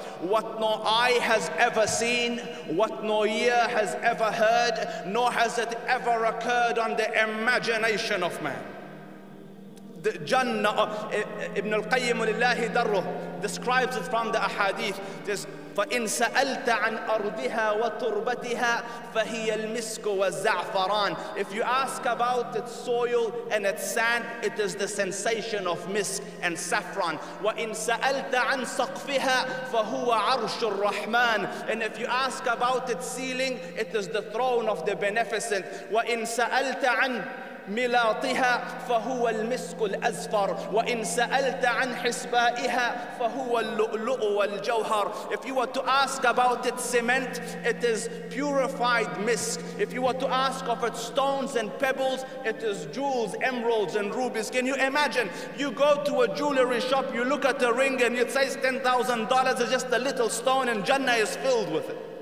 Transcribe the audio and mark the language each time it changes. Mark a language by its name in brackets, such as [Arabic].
[English] What no eye has ever seen, what no ear has ever heard, nor has it ever occurred on the imagination of man. The Jannah, Ibn al-Qayyim [Arabic] لله دره [English] describes it from the ahadith. [Arabic] This, فإن سألت عن أرضها وتربتها فهي المسك والزعفران. [English] If you ask about its soil and its sand, it is the sensation of misk and saffron. [Arabic] وإن سألت عن سقفها فهو عرش الرحمن. [English] And if you ask about its ceiling, it is the throne of the beneficent. [Arabic] وإن سألت عن ملاطها فهو المسك الأزفر وإن سألت عن حسبائها فهو اللؤلؤ والجوهر. [English] If you were to ask about its cement, it is purified misk. If you were to ask of its stones and pebbles, it is jewels, emeralds and rubies. Can you imagine? You go to a jewelry shop, you look at a ring and it says $10,000, it's just a little stone, and Jannah is filled with it.